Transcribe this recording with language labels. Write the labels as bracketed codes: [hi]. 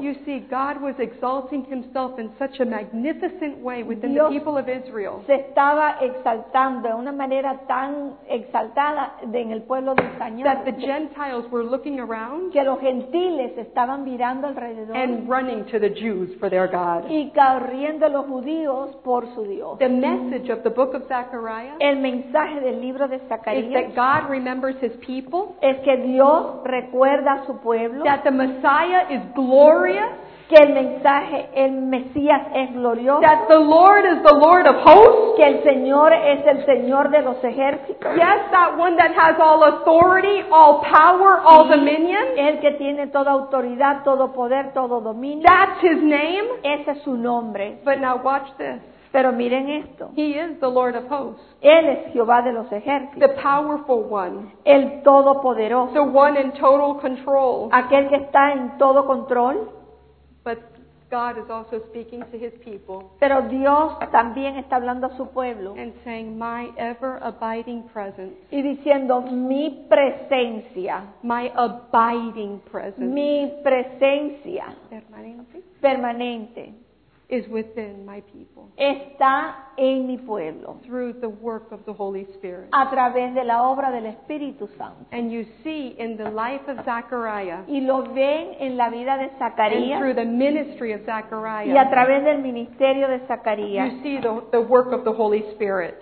[en] You see, God was exalting himself in such a magnificent way within Dios the people of Israel. [es] Se estaba exaltando de una manera tan exaltada en el pueblo de Israel. [en] That the Gentiles were looking around. [es] Que los gentiles estaban mirando alrededor. [en] And running to the Jews for their God. [es] Y corriendo los judíos por su Dios. [en] The message of the book of Zechariah. [es] El mensaje del libro de Zacarías [en] is that God remembers his people, [es] es que Dios recuerda a su pueblo, [en] that the Messiah is glorious, [es] que el mensaje, el Mesías es glorioso, [en] that the Lord is the Lord of hosts, [es] que el Señor es el Señor de los ejércitos. [en] Yes, that one that has all authority, all power, all dominion. [es] El que tiene toda autoridad, todo poder, todo dominio. [en] That's his name. [es] Ese es su nombre. [en] But now watch this. [es] Pero miren esto. [en] He is the Lord of hosts. [es] Él es Jehová de los ejércitos. [en] The powerful one. [es] El todopoderoso. [en] The one in total control. [es] Aquel que está en todo control. [en] But God is also speaking to his people. [es] Pero Dios también está hablando a su pueblo. [en] And saying, my ever abiding presence. [es] Y diciendo, mi presencia. [en] My abiding presence. [es] Mi presencia. Permanente. Permanente. [en] Is within my people. [es] Está en mi pueblo. [en] Through the work of the Holy Spirit. [es] A través de la obra del Espíritu Santo. [en] And you see in the life of Zechariah. [es] Y lo ven en la vida de Zacarías. [en] And through the ministry of Zechariah. [es] Y a través del ministerio de Zacarías. [en] You see the work of the Holy Spirit.